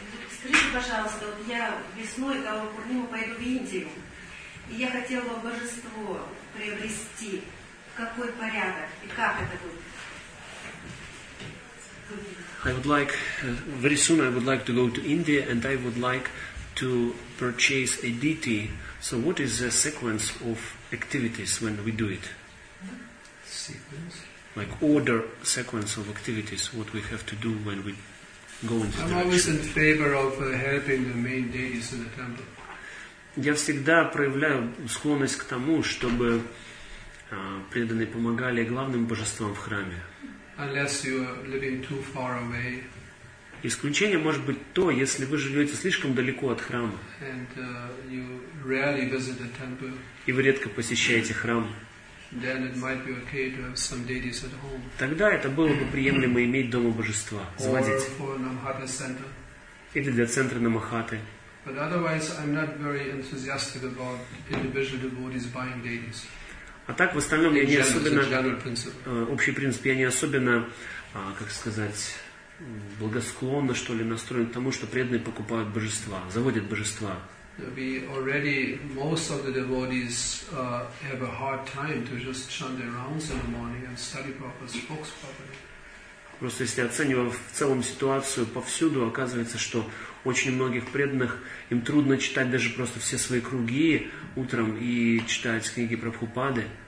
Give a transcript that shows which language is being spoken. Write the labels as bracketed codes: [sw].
[ru] Скажите, пожалуйста, вот я весной Кава Пурнима пойду в Индию, и я хотела бы божество приобрести. Какой порядок и как это будет? [en] I would like, very soon I would like to go to India and I would like to purchase a deity. So what is the sequence of activities when we do it? Sequence? Like order sequence of activities, what we have to do when we go into the temple. I'm always in favor of helping the main deities in the temple. [ru] Я всегда проявляю склонность к тому, чтобы преданные помогали главным божествам в храме. [en] Unless you are living too far away. [ru] Исключение может быть то, если вы живете слишком далеко от храма. [en] And you rarely visit the temple. [ru] И вы редко посещаете храм. [en] Then it might be okay to have some deities at home. [ru] Тогда это было бы приемлемо иметь дома божества, заводить. [en] Or for Namahata center. [ru] Или для центра Намахаты. [en] But otherwise, I'm not very enthusiastic about individual devotees buying deities. [ru] А так, в остальном, я не особенно, общий принцип, я не особенно, как сказать, благосклонно, что ли, настроен к тому, что преданные покупают божества, заводят божества. [en] We already, most of the devotees have a hard time to just chant their rounds in the morning and study Prabhupada's books properly. [ru] Просто если оценивая в целом ситуацию повсюду, оказывается, что очень многих преданных, им трудно читать даже просто все свои круги утром и читать книги Прабхупады.